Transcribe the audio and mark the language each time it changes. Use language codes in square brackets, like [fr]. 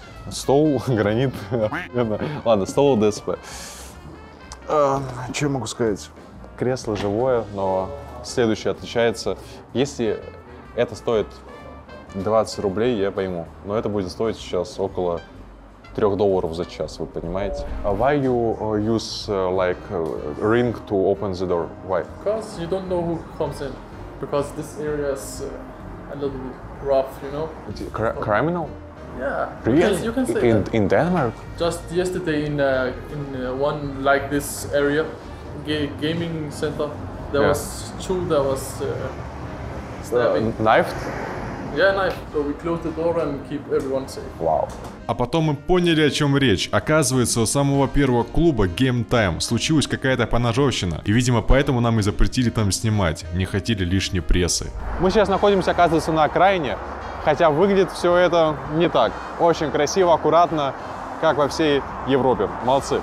[ru] Стол, гранит. Ладно, стол ДСП. Что я могу сказать? Кресло живое, но следующее отличается. Если это стоит 20 рублей, я пойму. Но это будет стоить сейчас около $3 за час, вы понимаете? [en] Why you use like ring to open the door? Why? Because you don't know who comes in. Because this area is a little bit rough, you know? Criminal? Yeah. Really? You can say in, in Denmark? Just yesterday in one like this area, gaming center, there was two that was stabbing. Knifed? Yeah, knifed. So we closed the door and keep everyone safe. Wow. [ru] А потом мы поняли, о чем речь. Оказывается, у самого первого клуба Game Time случилась какая-то поножовщина. И, видимо, поэтому нам и запретили там снимать. Не хотели лишней прессы. Мы сейчас находимся, оказывается, на окраине. Хотя выглядит все это не так. Очень красиво, аккуратно, как во всей Европе. Молодцы.